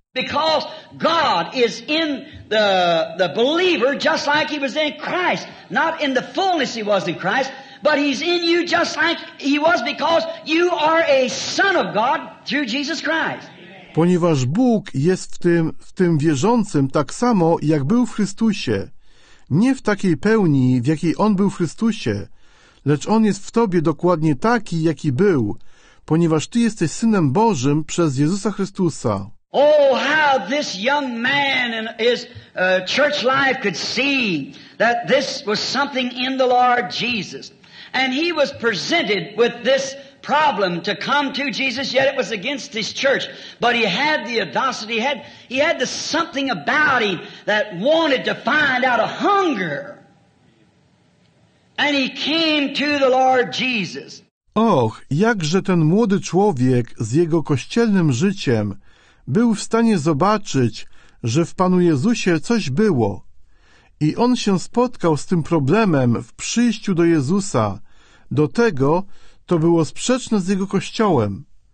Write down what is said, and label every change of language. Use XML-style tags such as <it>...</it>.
<en>Because God is in the believer just like He was in Christ. Not in the fullness He was in Christ, but He's in you just like He was because you are a son of God through Jesus Christ.</en> <pl>Ponieważ Bóg jest w tym wierzącym tak samo, jak był w Chrystusie. Nie w takiej pełni, w jakiej On był w Chrystusie, lecz On jest w tobie dokładnie taki, jaki był, ponieważ ty jesteś Synem Bożym przez Jezusa Chrystusa.</pl> <en>Oh, how this young man and his church life could see that this was something in the Lord Jesus. And he was presented with this problem to come to Jesus, yet it was against his church. But he had the audacity, he had the something about him that wanted to find out a hunger. And he came to the Lord Jesus.</en> <pl>Och, jakże ten młody człowiek z jego kościelnym życiem był w stanie zobaczyć, że w Panu Jezusie coś było. I on się spotkał z tym problemem w przyjściu do Jezusa. Do tego to było sprzeczne z jego kościołem.</pl>